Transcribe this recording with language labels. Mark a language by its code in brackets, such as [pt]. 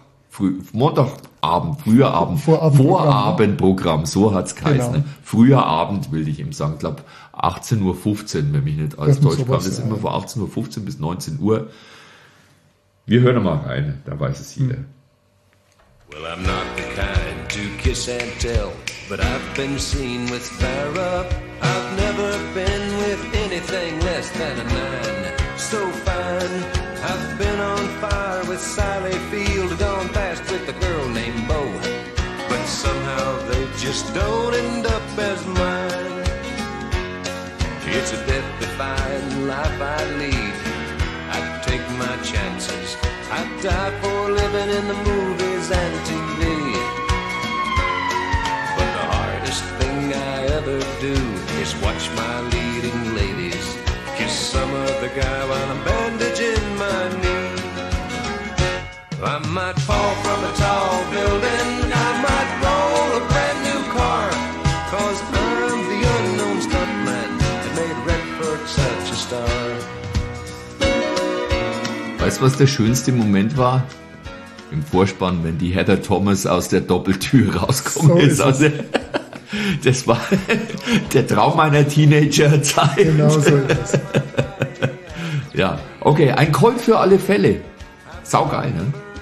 [de] Vorabendprogramm, so hat es geheißen. Genau. Früher Abend, will ich eben sagen, glaube 18.15 Uhr, wenn mich nicht alles täuscht. Das ist immer von 18.15 Uhr bis 19 Uhr. Wir hören mal rein, da weiß es jeder. [en] Well, I'm not the kind to kiss and tell, but I've been seen with Farrah. I've never been with anything less than a man so fine. I've been on fire with Sally Field, gone fast with a girl named Bo. But somehow they just don't end up as mine. It's a death-defying life I lead. I take my chances. I die for living in the movies and TV. But the hardest thing I ever do is watch my leading ladies kiss some other guy while I'm bandaging my knee. I might fall from a tall building. I might roll a brand new car. 'Cause I'm the unknown stuntman that made Redford such a star. [de] Weißt du, was der schönste Moment war? Im Vorspann, wenn die Heather Thomas aus der Doppeltür rauskommt. So ist also, das war der Traum meiner Teenager-Zeit. Genau so ist es. Ja, okay, ein Call für alle Fälle. Saugeil, ne?